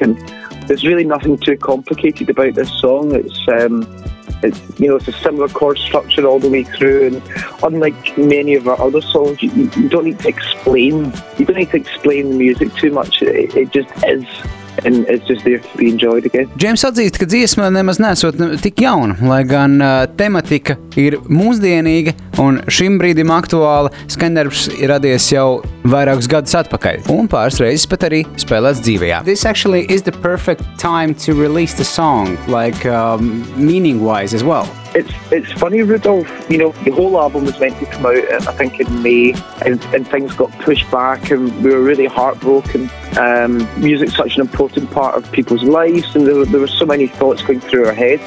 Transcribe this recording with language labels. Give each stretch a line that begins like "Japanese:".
English: And there's really nothing too complicated about this song. It's a similar chord structure all the way through, and unlike many of our other songs, you don't need to explain the music too much. It just is. And it's just there to be enjoyed again.
Latvian: James atzīst, ka dziesma nemaz nesot tik jauna, lai gan tematika ir mūsdienīga un šim brīdim aktuāla. Skandarbs ir radies jau vairākus gadus atpakaļ un pāris reizes pat arī spēlēts dzīvajā.
English: This actually is the perfect time to release the song, like meaning-wise as well. It's funny, Rudolph, you know, the whole album was meant to come out, I think, in May, and things got pushed back, and we were really heartbroken. Music's such an important part of people's lives, and there were so many thoughts going through our heads.